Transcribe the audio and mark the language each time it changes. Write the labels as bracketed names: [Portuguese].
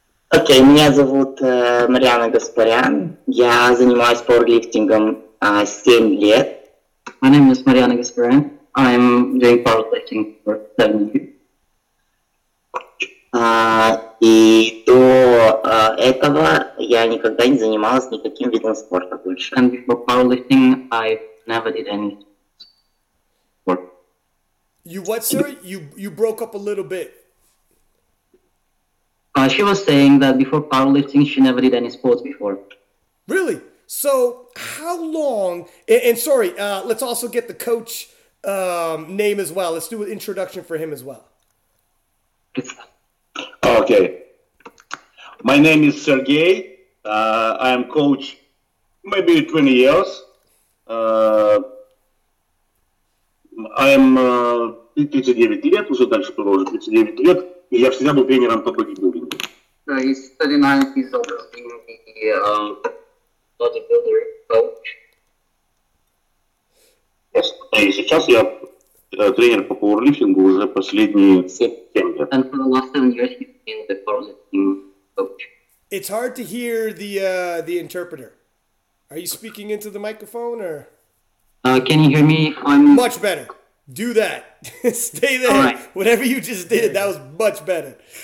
[Russian] Окей, меня зовут Марьяна Гаспарян. Я занимаюсь пауэрлифтингом 7 лет. [English] My name is Marianna Gasparian. I'm doing powerlifting for 7 years. [Russian] И до этого я никогда не занималась никаким видом спорта больше. [English] And before powerlifting, I never did any sport. You what, sir? You broke up a little bit. She was saying that before powerlifting, she never did any sports before. Really? So how long, and sorry, let's also get the coach name as well. Let's do an introduction for him as well. Okay. My name is Sergey. I am coach maybe 20 years. I am 39 years. [Russian] И я всегда был тренером по бодибилдингу. [English] He's 39 years old, being the bodybuilder coach. [Russian] И сейчас я тренер по пауэрлифтингу уже последние 7 лет. [English] And for the last 7 years, he's been the powerlifting coach. It's hard to hear the interpreter. Are you speaking into the microphone or? Can you hear me? Much better. Do that. Stay there. All right. Whatever you just did, that was much better.